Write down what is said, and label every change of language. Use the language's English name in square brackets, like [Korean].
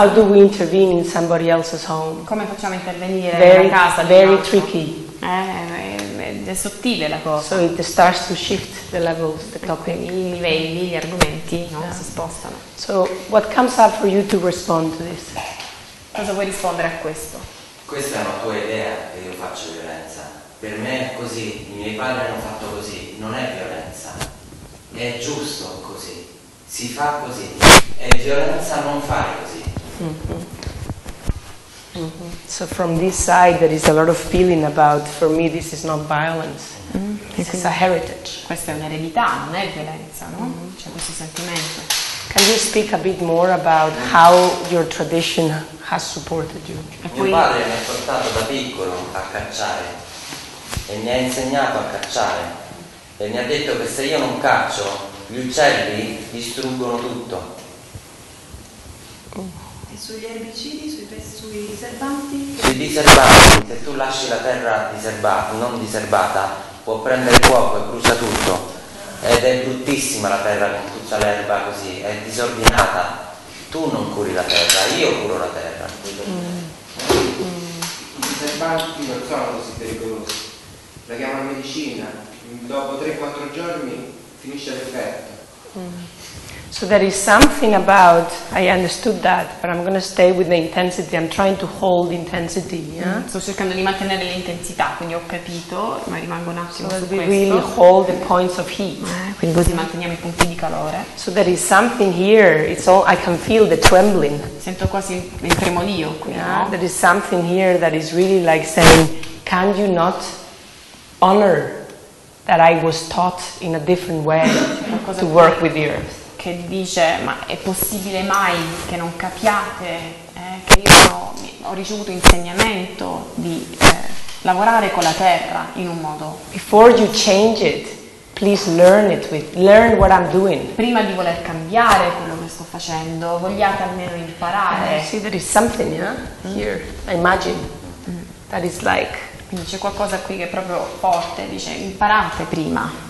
[English] How do we intervene in somebody else's home? [Italian] Come facciamo a intervenire nella casa? [English] Very tricky. [Italian] È sottile la cosa. [English] So it starts to shift the levels, the topic. [Italian] I livelli, gli argomenti, no? Yeah. Si spostano. [English] So what comes up for you to respond to this? [Italian] Cosa vuoi rispondere a questo? Questa è una tua idea che io faccio violenza. Per me è così, i miei padri hanno fatto così, non è violenza. È giusto così, si fa così. È violenza non fare così. [English] So from this side there is a lot of feeling about, for me this is not violence, this is a heritage. [Italian] Questa è un'eredità, non è violenza, no? C'è questo sentimento. [English] Can you speak a bit more about how your tradition has supported you? [Italian] Mio padre mi ha portato da piccolo a cacciare e mi ha insegnato a cacciare e mi ha detto che se io non caccio gli uccelli distruggono tutto. E sugli erbicidi, sui diserbanti? Sui diserbanti, se tu lasci la terra non diserbata può prendere fuoco e brucia tutto. Ed è bruttissima la terra con tutta l'erba così, è disordinata. Tu non curi la terra, io curo la terra. I diserbanti non sono così pericolosi, la chiamo medicina, dopo 3-4 giorni finisce l'effetto. [English] So there is something about, I understood that, but I'm going to stay with the intensity, I'm trying to hold intensity. Yeah? [Italian] Sto cercando di mantenere l'intensità, quindi ho capito, ma rimango un attimo [English] so [Italian] su questo. [English] So we really hold the points of heat. [Italian] Quindi così manteniamo i punti di calore. [English] So there is something here, it's all, I can feel the trembling. [Italian] Sento quasi il tremolio qui. [English] Yeah? No? There is something here that is really like saying, can you not honor that I was taught in a different way to work with the earth? [Italian] Che dice, ma è possibile mai che non capiate che io ho ricevuto insegnamento di lavorare con la terra in un modo. [English] Before you change it, please learn it with, learn what I'm doing. [Italian] Prima di voler cambiare quello che sto facendo, vogliate almeno imparare. [English] See, there is something, yeah? Here, I imagine. That is like. [Italian] Quindi c'è qualcosa qui che è proprio forte, dice, imparate prima.